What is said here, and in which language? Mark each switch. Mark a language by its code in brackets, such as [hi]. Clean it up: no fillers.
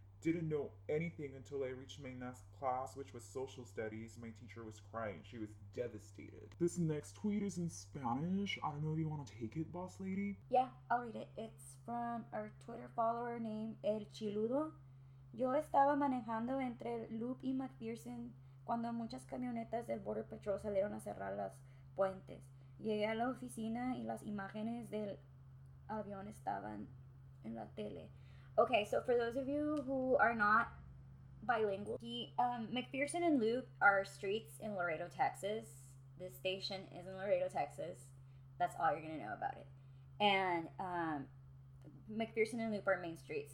[en] Didn't know anything until I reached my next class, which was social studies. My teacher was crying. She was devastated. This next tweet is in Spanish. I don't know if you want to take it, boss lady. Yeah, I'll read it. It's from our Twitter follower named El Chiludo. [es] Yo estaba manejando entre Loop y McPherson cuando muchas camionetas del Border Patrol salieron a cerrar las puentes. Llegué a la oficina y las imágenes del avión estaban en la tele. [en] Okay, so for those of you who are not bilingual, McPherson and Loop are streets in Laredo, Texas. This station is in Laredo, Texas. That's all you're going to know about it. And McPherson and Loop are main streets.